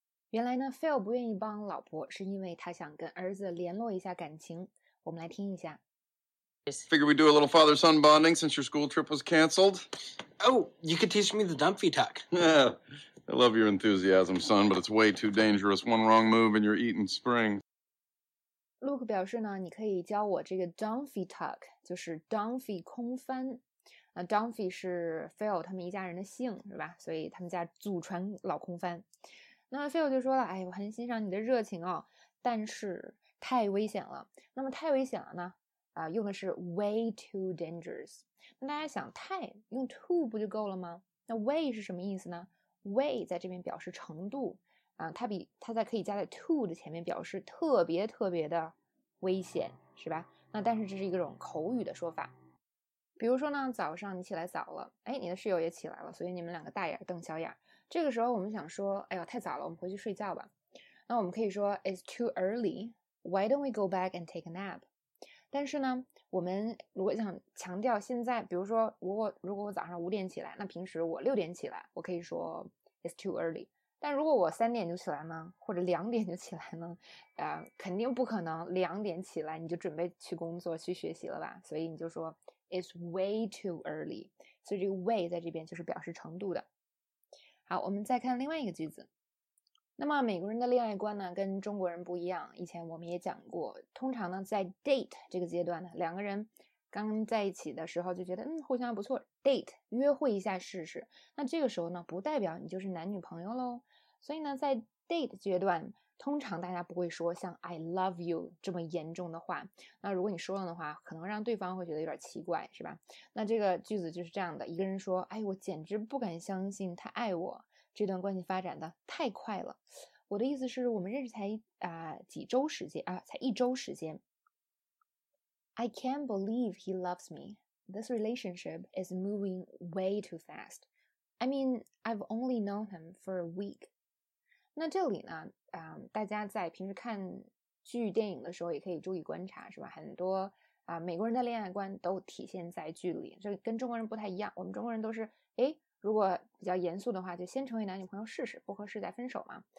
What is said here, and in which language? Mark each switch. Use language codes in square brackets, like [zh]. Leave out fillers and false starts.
[zh] 原来呢，Phil 不愿意帮老婆，是因为他想跟儿子联络一下感情。我们来听一下。 [en] Figure we do a little father-son bonding since your school trip was canceled. Oh, you could teach me the dumpy tuck. I love your enthusiasm, son, but it's way too dangerous. One wrong move and you're eating spring. [zh] Luke 表示呢，你可以教我这个 dumpy tuck， 就是 dumpy 空翻。 Dumpy 是 Phil 他们一家人的姓，是吧？所以他们家祖传老空翻。那 Phil 就说了，哎，我很欣赏你的热情哦，但是太危险了。那么太危险了呢？用的是 [en] way too dangerous。 [zh] 那大家想，太用 too 不就够了吗？那 way 是什么意思呢？ way 在这边表示程度啊，它在可以加在 too 的前面，表示特别特别的危险，是吧？那但是这是一种口语的说法。比如说呢，早上你起来早了，哎，你的室友也起来了，所以你们两个大眼瞪小眼。这个时候我们想说，哎呦，太早了，我们回去睡觉吧。那我们可以说 [en] it's too early. Why don't we go back and take a nap? [zh] 但是呢，我们如果想强调现在，比如说如果我早上五点起来，那平时我六点起来，我可以说 [en] it's too early。 [zh] 但如果我三点就起来呢，或者两点就起来呢，肯定不可能两点起来你就准备去工作去学习了吧？所以你就说 [en] it's way too early。 [zh] 所以这个 way 在这边就是表示程度的。好，我们再看另外一个句子。那么美国人的恋爱观呢，跟中国人不一样。以前我们也讲过，通常呢，在 date 这个阶段呢，两个人刚在一起的时候就觉得，互相不错 ，date 约会一下试试。那这个时候呢，不代表你就是男女朋友喽。所以呢，在 date 阶段，通常大家不会说像 [en] I love you [zh] 这么严重的话。那如果你说了的话，可能让对方会觉得有点奇怪，是吧？那这个句子就是这样的：一个人说，哎，我简直不敢相信他爱我。这段关系发展的太快了，我的意思是我们认识才几周时间啊，才一周时间。 [en] I can't believe he loves me. This relationship is moving way too fast. I mean, I've only known him for a week. [zh] 那这里呢，大家在平时看剧电影的时候也可以注意观察，是吧？很多美国人的恋爱观都体现在剧里，这跟中国人不太一样。我们中国人都是哎。如果比较严肃的话，就先成为男女朋友试试，不合适再分手嘛。